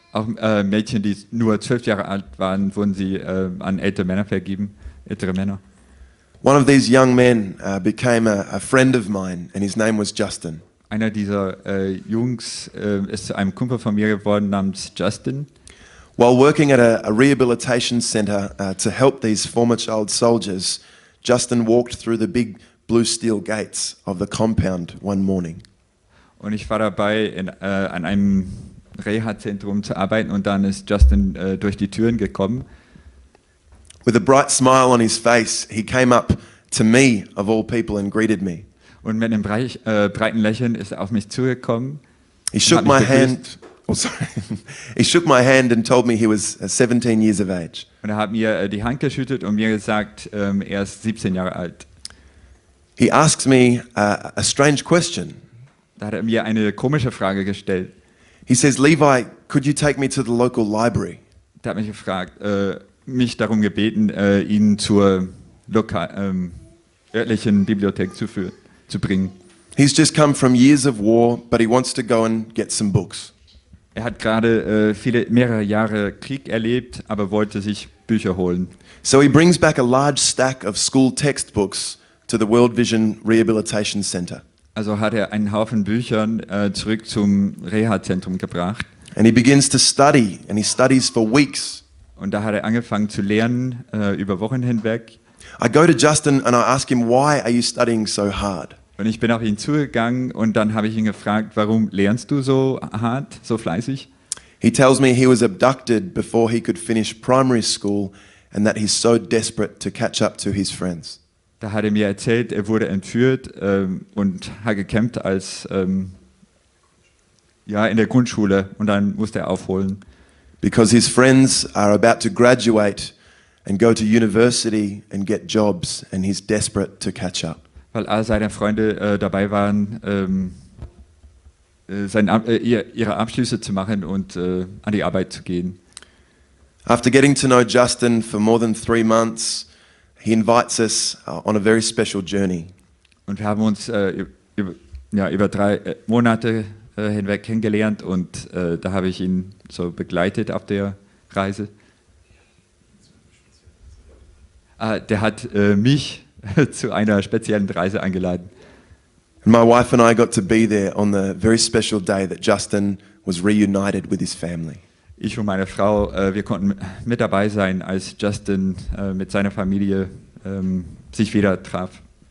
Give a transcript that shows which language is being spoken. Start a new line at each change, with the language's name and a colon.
German: Auch Mädchen, die nur 12 Jahre alt waren, wurden sie an ältere Männer vergeben, ältere Männer.
English: One of these young men became a friend of mine, and his name was Justin.
German: Einer dieser Jungs ist zu einem Kumpel von mir geworden namens Justin.
English: While working at a rehabilitation center to help these former child soldiers, Justin walked through the big blue steel gates of the compound one morning.
German: Und ich war dabei an einem Reha-Zentrum zu arbeiten, und dann ist Justin durch die Türen gekommen.
English: With a bright smile on his face, he came up to me, of all people, and greeted me.
German: Und mit einem breiten Lächeln ist auf mich zugekommen.
English: He shook my hand. Oh, sorry. He shook my hand and told me he was 17 years of age.
German: Und hat mir die Hand geschüttelt und mir gesagt, er ist 17 Jahre alt.
English: He asked me a strange question.
German: Da hat mir eine komische Frage gestellt.
English: He says, Levi, could you take me to the local library?
German: Da hat mich gefragt, mich darum gebeten, ihn zur örtlichen Bibliothek zu bringen.
English: He's just come from years of war, but he wants to go and get some books.
German: Er hat gerade mehrere Jahre Krieg erlebt, aber wollte sich Bücher holen.
English: So he brings back a large stack of school textbooks to the World Vision Rehabilitation Center.
German: Also hat er einen Haufen Büchern zurück zum Reha-Zentrum gebracht.
English: And he begins to study, and he studies for weeks.
German: Und da hat er angefangen zu lernen über Wochen hinweg.
English: I go to Justin and I ask him, why are you studying so hard?
German: Und ich bin auf ihn zugegangen und dann habe ich ihn gefragt, warum lernst du so hart, so fleißig?
English: He tells me he was abducted before he could finish primary school and that he's so desperate to catch up to his friends.
German: Da hat er mir erzählt, er wurde entführt und hat gekämpft als in der Grundschule und dann musste er aufholen.
English: Because his friends are about to graduate and go to university and get jobs and he's desperate to catch up.
German: Weil all seine Freunde dabei waren, ihre Abschlüsse zu machen und an die Arbeit zu gehen.
English: After getting to know Justin for more than 3 months, he invites us on a very special journey.
German: Und wir haben uns über 3 Monate hinweg kennengelernt und da habe ich ihn so begleitet auf der Reise. Der hat mich zu einer speziellen Reise eingeladen.
English: And my wife and I got to be there on the very special day that Justin was reunited with his family.
German: Ich und meine Frau, wir konnten mit dabei sein, als Justin mit seiner Familie sich wieder traf.